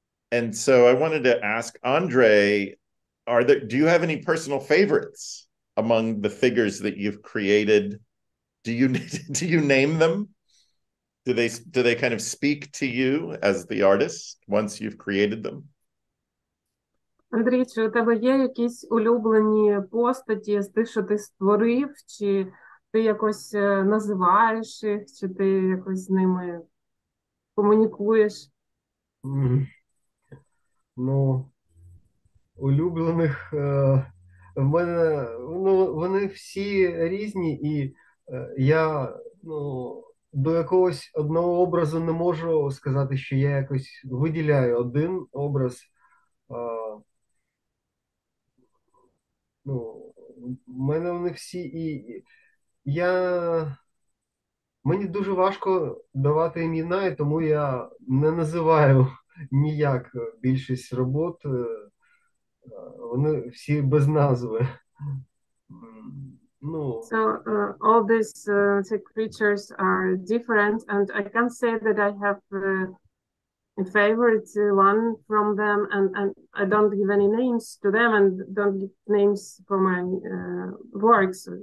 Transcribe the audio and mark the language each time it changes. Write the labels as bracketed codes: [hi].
[en] And so I wanted to ask Andrii, do you have any personal favorites among the figures that you've created? Do you name them? Do they kind of speak to you as the artist once you've created them? [uk] Андрій, чи у тебе є якісь улюблені постаті з тих, що ти створив, чи ти якось називаєш їх, чи ти якось з ними комунікуєш? Ну, улюблених в мене, ну, вони всі різні, і я, ну, до якогось одного образу не можу сказати, що я якось виділяю один образ. Ну, в мене вони всі, мені дуже важко давати імена, і тому я не називаю ніяк більшість робот, вони всі без назви. Ну, [en] so all these creatures are different, and I can say that I have a favorite one from them, and I don't give any names to them, and don't give names for my works.